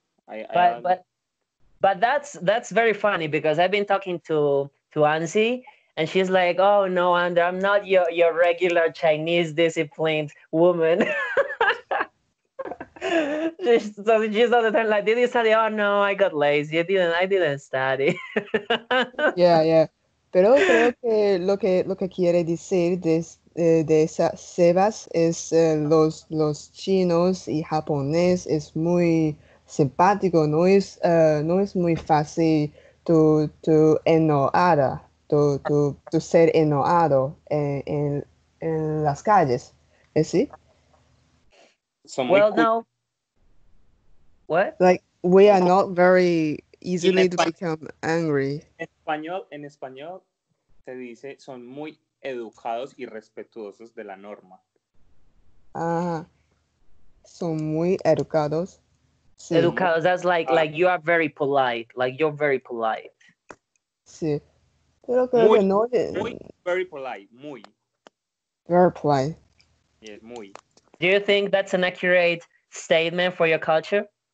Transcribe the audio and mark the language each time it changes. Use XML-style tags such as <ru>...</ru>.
<en>But that's very funny because I've been talking to Anzi and she's like, oh no, Ander, I'm not your regular Chinese disciplined woman. So she's all the time like, did you study? Oh no, I got lazy. I didn't study. yeah.</en> <es>Pero creo que lo que quiere decir de Sebas es los chinos y japonés es muy simpático, no es muy fácil tu ser enojado en las calles, ¿sí?</es> <en>Well, no. What? Like, we are not very easily to become angry.</en> <es>En español, se dice, son muy educados y respetuosos de la norma. Ah, son muy educados. Sí.</es> <en>Educados, that's like you are very polite, like you're very polite.</en> <es>Sí.</es> <en>Very polite. Very polite. Yes, muy. Do you think that's an accurate statement for your culture?</en>